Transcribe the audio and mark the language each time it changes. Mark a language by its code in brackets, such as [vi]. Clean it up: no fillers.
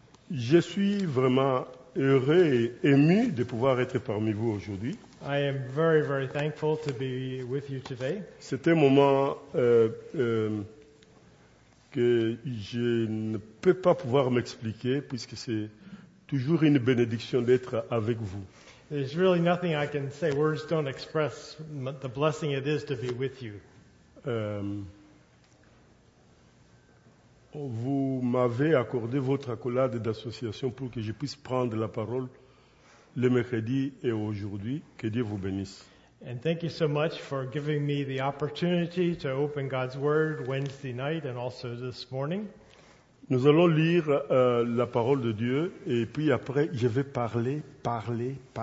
[fr] Je suis vraiment heureux et ému de pouvoir être parmi vous aujourd'hui. [en] I am very, very thankful to be with you today. [fr] C'était un moment que je ne peux pas pouvoir m'expliquer puisque c'est toujours une bénédiction d'être avec vous. [en] There's really nothing I can say. Words don't express the blessing it is to be with you. [fr] Vous m'avez accordé votre accolade d'association pour que je puisse prendre la parole le mercredi et aujourd'hui. Que Dieu vous bénisse. [en] And thank you so much for giving me the opportunity to open God's Word Wednesday night and also this morning. [fr] Nous allons lire la parole de Dieu et puis après je vais parler.